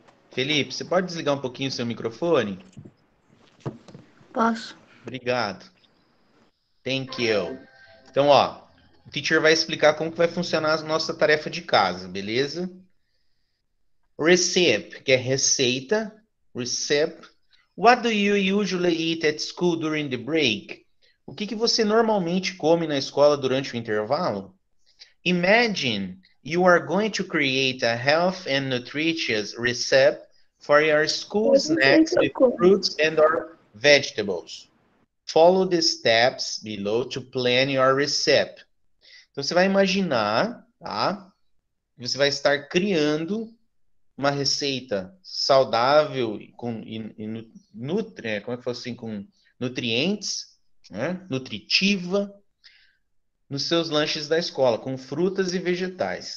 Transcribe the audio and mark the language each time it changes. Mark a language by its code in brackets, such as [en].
[pt] Felipe, você pode desligar um pouquinho o seu microfone? Posso. Obrigado. [en] Thank you. [pt] Então, ó, o teacher vai explicar como que vai funcionar a nossa tarefa de casa, beleza? Recipe, que é receita. Recipe. [en] What do you usually eat at school during the break? [pt] O que que você normalmente come na escola durante o intervalo? [en] Imagine you are going to create a health and nutritious recipe for your school snacks with fruits and or vegetables. Follow the steps below to plan your recipe. [pt] Então, você vai imaginar, tá? Você vai estar criando uma receita saudável como é que fosse assim, com nutrientes, né? Nutritiva nos seus lanches da escola, com frutas e vegetais.